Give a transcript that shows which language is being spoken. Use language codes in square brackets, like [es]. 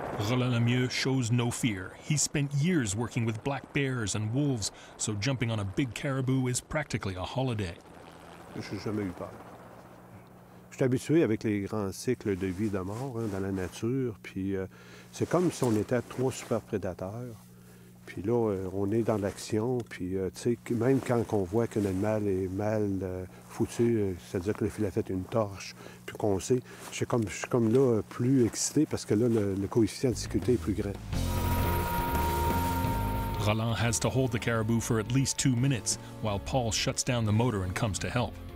[en] Roland Lemieux shows no fear. He spent years working with black bears and wolves, so jumping on a big caribou is practically a holiday. [fr] J'ai jamais eu peur. Je suis habitué avec les grands cycles de vie et de mort hein, dans la nature, puis c'est comme si on était trois super prédateurs. Puis là, on est dans l'action, puis tu sais, même quand on voit qu'un animal est mal foutu, c'est-à-dire que le filet fait une torche, puis qu'on sait, je suis comme là plus excité parce que là, le coefficient de sécurité est plus grand. [en] Roland has to hold the caribou for at least 2 minutes while Paul shuts down the motor and comes to help.